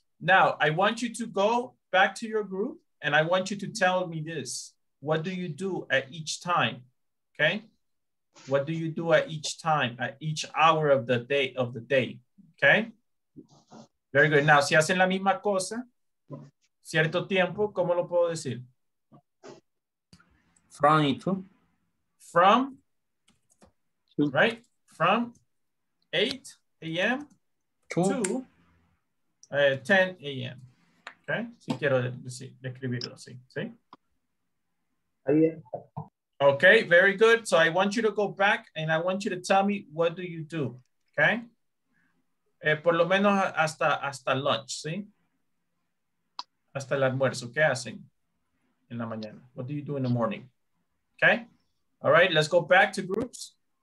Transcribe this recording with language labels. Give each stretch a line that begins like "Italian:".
English: Now, I want you to go back to your group and I want you to tell me this. What do you do at each time, okay? What do you do at each time, at each hour of the day, okay? Very good.
Spanish: Now, si hacen la misma cosa, cierto tiempo, ¿cómo lo puedo decir?
English: From y to. From, right? From 8 a.m. to 10 a.m., okay?
Spanish: Si quiero decir, describirlo así, ¿sí? Ahí es.
English: Okay, very good. So I want you to go back and I want you to tell me what do you do, okay?
Spanish: Por lo menos hasta lunch, ¿sí? Hasta el almuerzo, ¿qué hacen en la mañana?
English: What do you do in the morning, okay? All right, let's go back to groups.